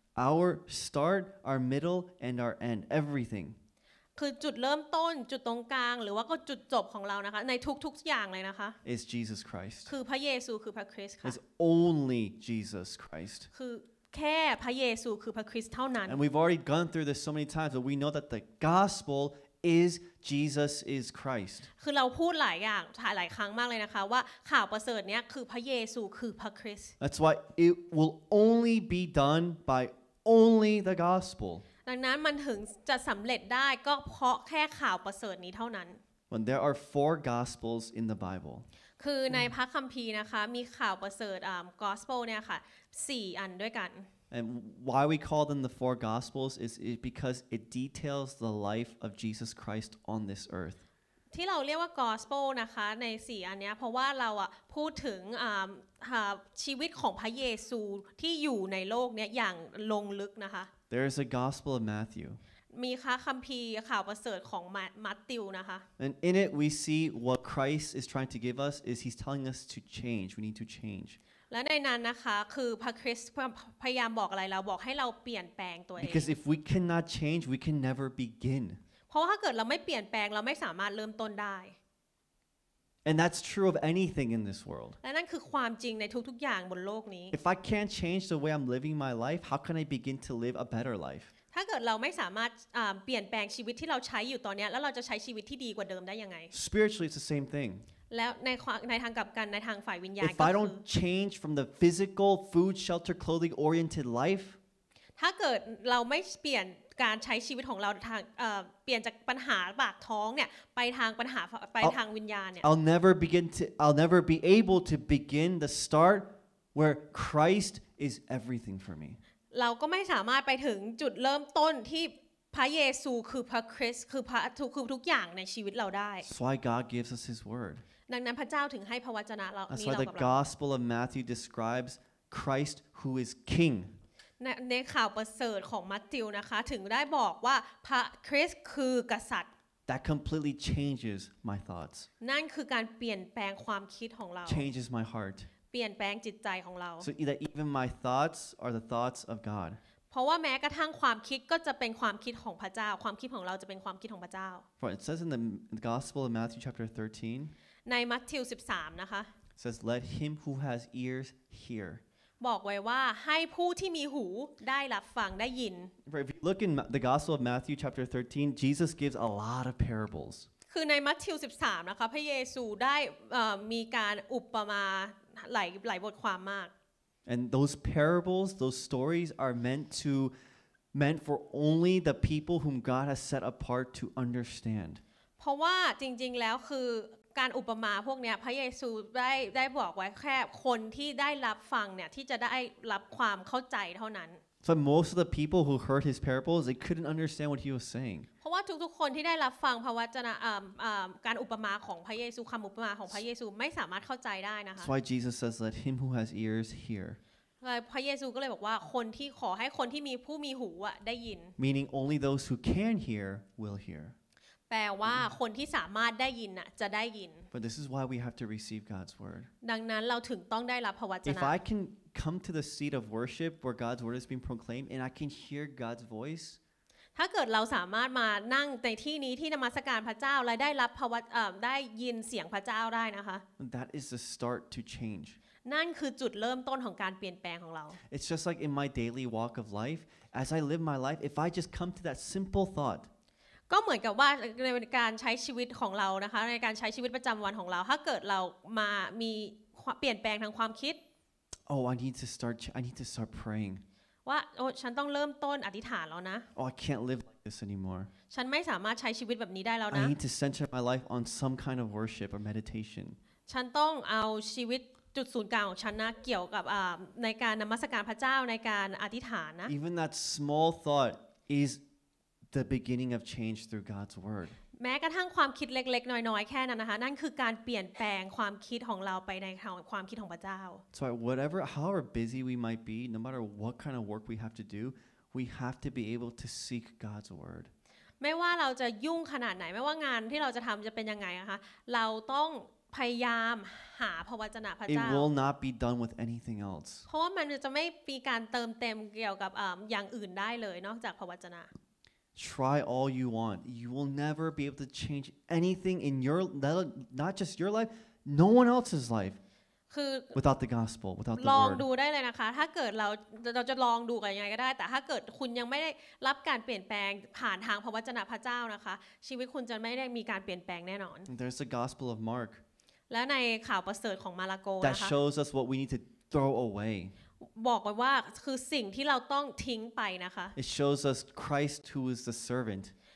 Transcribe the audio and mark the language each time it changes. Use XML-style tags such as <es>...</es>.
<en>Our start our middle and our end everything</en> <th>คือจุดเริ่มต้นจุดตรงกลางหรือว่าก็จุดจบของเรานะคะในทุกๆอย่างเลยนะคะ</th> <en>is Jesus Christ</en> <th>คือพระเยซูคือพระคริสต์ค่ะ</th> <en>is only Jesus Christ</en> <th>คือแค่พระเยซูคือพระคริสต์เท่านั้น</th> <en>And we've already gone through this so many times but we know that the gospel is Jesus is Christ</en> <th>คือเราพูดหลายอย่างหลายครั้งมากเลยนะคะว่าข่าวประเสริฐเนี้ยคือพระเยซูคือพระคริสต์</th> <en>That's why it will only be done by only the gospel</en> <th>ดังนั้นมันถึงจะสำเร็จได้ก็เพราะแค่ข่าวประเสริฐนี้เท่านั้น</th> <en>When there are four gospels in the Bible</en> <th>คือในพระคัมภีร์นะคะมีข่าวประเสริฐgospel เนี่ยค่ะ4อันด้วยกัน</th> <en>And why we call them the four gospels is because it details the life of Jesus Christ on this earth</en> <th>ที่เราเรียกว่า gospel นะคะใน4อันเนี้ยเพราะว่าเราอ่ะพูดถึงชีวิตของพระเยซูที่อยู่ในโลกเนี้ยอย่างลงลึกนะคะ</th> <en>There is a gospel of Matthew</en> <th>มีคัมภีร์ข่าวประเสริฐของมัทธิวนะคะ</th> <en>And in it we see what Christ is trying to give us is he's telling us to change we need to change</en> <th>และในนั้นนะคะคือพระคริสต์พยายามบอกอะไรเราบอกให้เราเปลี่ยนแปลงตัวเอง</th> <en>Because if we cannot change we can never begin</en> <th>เพราะถ้าเกิดเราไม่เปลี่ยนแปลงเราไม่สามารถเริ่มต้นได้</th> <en>And that's true of anything in this world</en> <th>และนั่นคือความจริงในทุกๆอย่างบนโลกนี้</th> <en>If I can't change the way I'm living my life how can I begin to live a better life</en> <th>ถ้าเกิดเราไม่สามารถเปลี่ยนแปลงชีวิตที่เราใช้อยู่ตอนนี้แล้วเราจะใช้ชีวิตที่ดีกว่าเดิมได้ยังไง</th> <en>Spiritually it's the same thing</en> <th>แล้วในทางกลับกันในทางฝ่ายวิญญาณ</th> <en>If I don't change from the physical food shelter clothing oriented life</en> <th>ถ้าเกิดเราไม่เปลี่ยนการใช้ชีวิตของเราทางเปลี่ยนจากปัญหาปากท้องเนี่ยไปทางปัญหาไปทางวิญญาณเนี่ย</th> <en>I'll never be able to begin the start where Christ is everything for me</en> <th>เราก็ไม่สามารถไปถึงจุดเริ่มต้นที่พระเยซูคือพระคริสต์คือพระทุกอย่างในชีวิตเราได้</th> <en>Why God gives us His Word</en> <th>ดังนั้นพระเจ้าถึงให้พระวจนะเรานี้</th> <en>That's why the Gospel of Matthew describes Christ who is King</en> <th>ในข่าวประเสริฐของมัทธิวนะคะถึงได้บอกว่าพระคริสต์คือกษัตริย์</th> <en>That completely changes my thoughts</en> <th>นั่นคือการเปลี่ยนแปลงความคิดของเรา</th> <en>Changes my heart</en> <th>เปลี่ยนแปลงจิตใจของเรา</th> <en>So that even my thoughts are the thoughts of God</en> <th>เพราะว่าแม้กระทั่งความคิดก็จะเป็นความคิดของพระเจ้าความคิดของเราจะเป็นความคิดของพระเจ้า</th> <en>For it says in the Gospel of Matthew chapter 13</en> <th>ในมัทธิว13นะคะ</th> <en>says let him who has ears hear</en> <th>บอกไว้ว่าให้ผู้ที่มีหูได้รับฟังได้ยิน</th> <en>For if you look in the Gospel of Matthew chapter 13 Jesus gives a lot of parables</en> <th>คือในมัทธิว13นะคะพระเยซูได้มีการอุปมาหลายบทความมาก</th> <en>And those parables, those stories are meant for only the people whom God has set apart to understand.</en> <th>เพราะว่าจริงๆแล้วคือการอุปมาพวกเนี้ยพระเยซูได้บอกไว้แค่คนที่ได้รับฟังเนี่ยที่จะได้รับความเข้าใจเท่านั้น</th> <en>But most of the people who heard his parables, they couldn't understand what he was saying.</en> <th>เพราะว่าทุกๆคนที่ได้รับฟังพระวจนะการอุปมาของพระเยซูคำอุปมาของพระเยซูไม่สามารถเข้าใจได้นะคะ</th> <en>That's why Jesus says, "Let him who has ears hear."</en> <th>พระเยซูก็เลยบอกว่าคนที่ขอให้คนที่มีผู้มีหูอ่ะได้ยิน</th> <en>Meaning only those who can hear will hear.</en> <th>แปลว่าคนที่สามารถได้ยินน่ะจะได้ยิน</th> <en>But this is why we have to receive God's word.</en> <th>ดังนั้นเราถึงต้องได้รับพระวจนะ</th> <en>If I canCome to the seat of worship where God's word is being proclaimed, and I can hear God's voice.</en> <th>ถ้าเกิดเราสามารถมานั่งในที่นี้ที่นมัสการพระเจ้าและได้รับพระได้ยินเสียงพระเจ้าได้นะคะ</th> <en>That is the start to change.</en> <th>นั่นคือจุดเริ่มต้นของการเปลี่ยนแปลงของเรา</th> <en>It's just like in my daily walk of life, as I live my life, if I just come to that simple thought.</en> <th>ก็เหมือนกับว่าในการใช้ชีวิตของเรานะคะในการใช้ชีวิตประจำวันของเราถ้าเกิดเรามามีเปลี่ยนแปลงทางความคิด</th> <en>Oh, I need to start praying.</en> <th>ว่าโอ้ฉันต้องเริ่มต้นอธิษฐานแล้วนะ</th> <en>Oh, I can't live like this anymore.</en> <th>ฉันไม่สามารถใช้ชีวิตแบบนี้ได้แล้วนะ</th> <en>I need to center my life on some kind of worship or meditation.</en> <th>ฉันต้องเอาชีวิตจุดศูนย์กลางของฉันนะเกี่ยวกับในการนมัสการพระเจ้าในการอธิษฐานนะ</th> <en>Even that small thought is the beginning of change through God's word.</en> <th>แม้กระทั่งความคิดเล็กๆน้อยๆแค่นั้นนะคะนั่นคือการเปลี่ยนแปลงความคิดของเราไปในความคิดของพระเจ้า</th> <en>So whatever however busy we might be no matter what kind of work we have to do we have to be able to seek God's word</en> <th>ไม่ว่าเราจะยุ่งขนาดไหนไม่ว่างานที่เราจะทำจะเป็นยังไงนะคะเราต้องพยายามหาพระวจนะพระเจ้า</th> <en>It will not be done with anything else</en> <th>เพราะว่ามันจะไม่มีการเติมเต็มเกี่ยวกับอย่างอื่นได้เลยนอกจากพระวจนะ</th> <en>Try all you want. You will never be able to change anything in your not just your life, no one else's life. Without the gospel, without the word.</en> <th>ลองดูได้เลยนะคะถ้าเกิดเราจะลองดูกันยังไงก็ได้แต่ถ้าเกิดคุณยังไม่ได้รับการเปลี่ยนแปลงผ่านทางพระวจนะพระเจ้านะคะชีวิตคุณจะไม่ได้มีการเปลี่ยนแปลงแน่นอน</th> <en>There's the gospel of Mark.</en> <th>และในข่าวประเสริฐของมาระโกนะคะ</th> <en>That shows us what we need to throw away.</en> <th>บอกไว้ว่าคือสิ่งที่เราต้องทิ้งไปนะคะ</th> <en>It shows us Christ who is the servant</en>